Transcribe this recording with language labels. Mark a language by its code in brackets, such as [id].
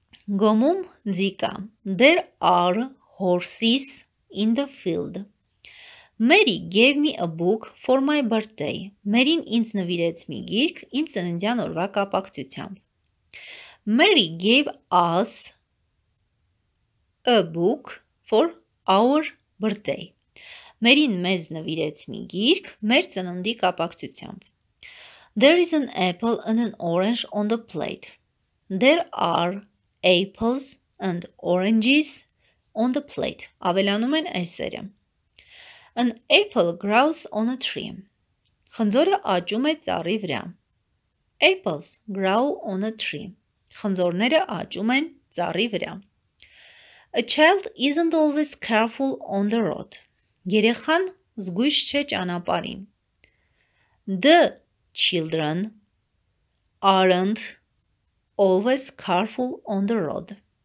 [hy] Գոմում ձիկա. [en] There are horses in the field. Mary gave me a book for my birthday. [hy] Մերին ինձ նվիրեց մի գիրք իմ ծննդյան օրվա կապակցությամբ. [en] Mary gave us a book for our birthday. [hy] Մերին մեզ նվիրեց մի գիրք մեր ծննդի կապակցությամբ. [en] There is an apple and an orange on the plate. There are apples and oranges on the plate. [hy] Ավելանում են այսերը. [en] An apple grows on a tree. [hy] Խնձորը աճում է ծառի վրա. [en] Apples grow on a tree. [hy] Խնձորները աճում են ծառի վրա. [en] A child isn't always careful on the road. [hy] Երեխան զգույշ չէ ճանապարհին. [en] The children aren't always careful on the road.